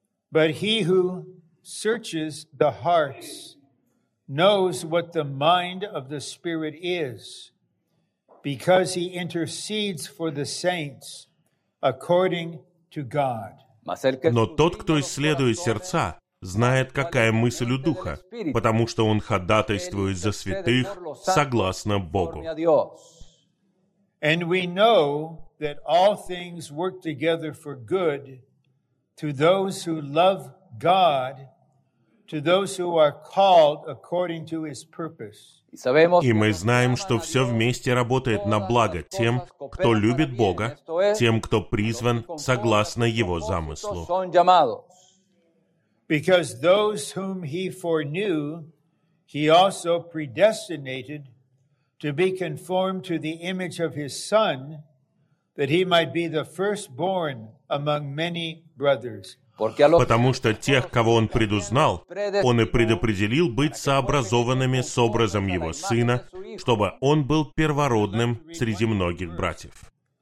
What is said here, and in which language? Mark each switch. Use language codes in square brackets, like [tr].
[en] But He who searches the hearts knows what the mind of the Spirit is, because He intercedes for the saints according to God. [ru] Но тот, кто исследует сердца, знает, какая мысль у Духа, потому что он ходатайствует за святых согласно Богу. [en] And we know that all things work together for good to those who love God, to those who are called according to His purpose. [ru] И мы знаем, что все вместе работает на благо тем, кто любит Бога, тем, кто призван согласно Его замыслу. [en] Because those whom He foreknew, He also predestinated to be conformed to the image of His Son, that He might be the firstborn among many brothers. [ru] Потому что тех, кого Он предузнал, Он и предопределил быть сообразованными с образом Его Сына, чтобы Он был первородным среди многих братьев.